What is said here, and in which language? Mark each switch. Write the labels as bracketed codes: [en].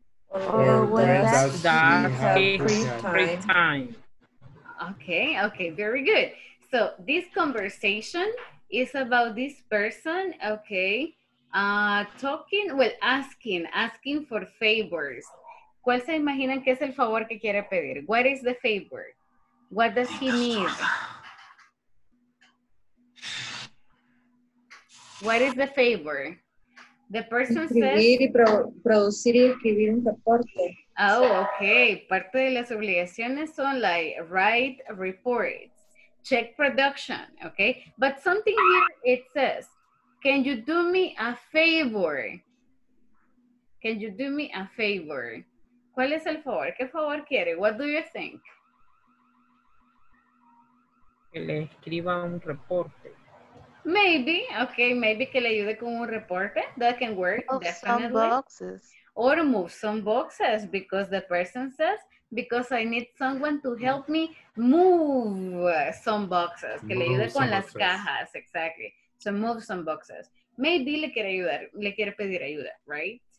[en] Or when does he have free time? Okay, very good. So this conversation is about this person, okay, asking for favors. [es] ¿Cuál se imaginan que es el favor que quiere pedir? [en] What is the favor? What does he need? What is the favor? The person says [es] producir y escribir un reporte. [en] Oh, okay. [es] Parte de las obligaciones son [en] like write reports, check production, okay? But something here it says, can you do me a favor? Can you do me a favor? [es] ¿Cuál es el favor? ¿Qué favor quiere? [en] What do you think? [es] Que le escriba un reporte. [en] Maybe, okay, maybe [es] que le ayude con un reporte. [en] That can work, definitely. Move some boxes. Or move some boxes, because the person says, because I need someone to help me move some boxes. [es] Que le ayude con las cajas, [en] exactly. So move some boxes. Maybe [es] le quiere ayudar, le quiere pedir ayuda, [en] right?